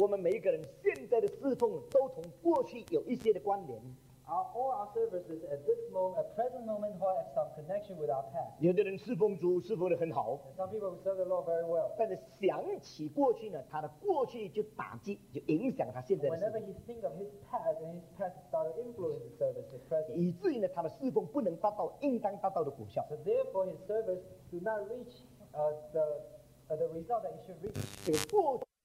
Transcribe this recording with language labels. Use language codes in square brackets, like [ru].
[zh] 我们每一个人现在的侍奉都同过去有一些的关联。 [en] All our services at this moment, at present moment, have some connection with our past. [zh] 有的人侍奉主侍奉得很好。 [en] Some people serve the Lord very well. [zh] 但是想起过去呢，他的过去就打击，就影响他现在的侍奉。 [en] Whenever he thinks of his past, and his past start to influence his service, his present. [zh] 以至于呢，他的侍奉不能达到应当达到的果效。 [en] So therefore, his service do not reach the result that he should reach.